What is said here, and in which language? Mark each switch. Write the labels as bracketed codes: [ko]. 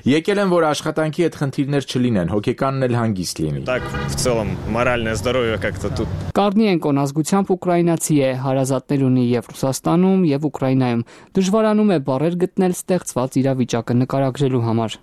[hy] Եկել են, որ աշխատանքի հետ խնդիրներ չլինեն, հոգեկանն էլ հանգիստ լինի։ [ru] Так, в целом, моральное здоровье как-то тут. [hy] Կարնիենկոն ազգությամբ ուկրաինացի է, հարազատներ ունի եւ Ռուսաստանում, եւ Ուկրաինայում։ Դժվարանում է բարեր գտնել ստեղծված իրավիճակը նկարագրելու համար։